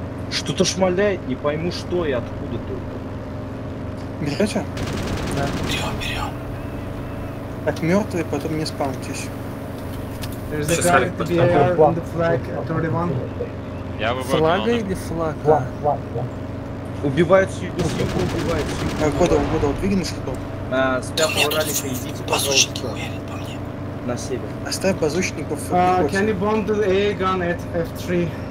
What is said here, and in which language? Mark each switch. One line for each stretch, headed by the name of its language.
Russian: Что-то шмаляет, не пойму что и откуда только. Берете? Да. Берем. От мертвой потом не спамьтесь.
English: There's a guy to be on the flag at 31.
Russian: Я выбрал. Флага или флаг? Да. Убивают сюда, убивают сюда. Года, двигай что-то. С пятого ралика идите. Базучники уверят по мне. На север. Оставь базучников.
English: Can you bomb the A gun at F3?